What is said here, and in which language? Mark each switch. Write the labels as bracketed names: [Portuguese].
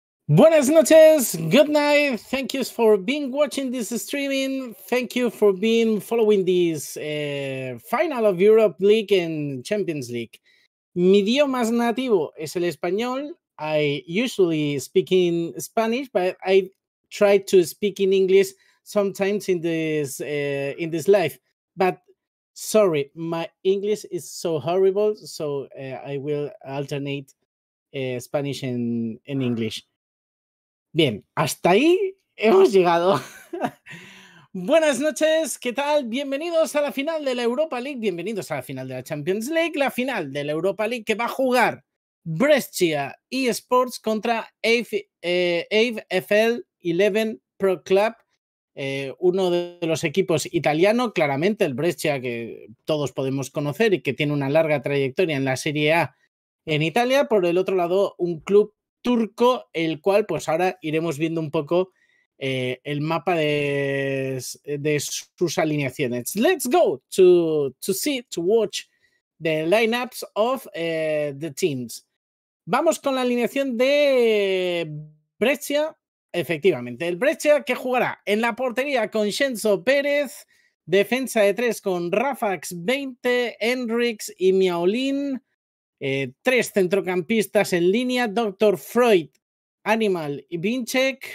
[Spanish] Buenas noches, [English] good night, thank you for being watching this streaming, thank you for being following this final of Europe League and Champions League. [Spanish] Mi idioma nativo es el español. [English] I usually speak in Spanish, but I try to speak in English sometimes in this life. But sorry, my English is so horrible, so I will alternate Spanish and English. [Spanish] Bien, hasta ahí hemos llegado. Buenas noches, ¿qué tal? Bienvenidos a la final de la Europa League, bienvenidos a la final de la Champions League, la final de la Europa League que va a jugar Brescia eSports contra AFL 11 Pro Club, uno de los equipos italiano, claramente el Brescia que todos podemos conocer y que tiene una larga trayectoria en la Serie A en Italia. Por el otro lado, un club turco, el cual pues ahora iremos viendo un poco el mapa de sus alineaciones. [English] Let's go to watch the lineups of the teams. [Spanish] Vamos con la alineación de Brescia, efectivamente. El Brescia que jugará en la portería con Xenzo Pérez, defensa de tres con Rafax 20, Hendrix y Miaolín. Tres centrocampistas en línea, Dr. Freud, Animal y Vincek.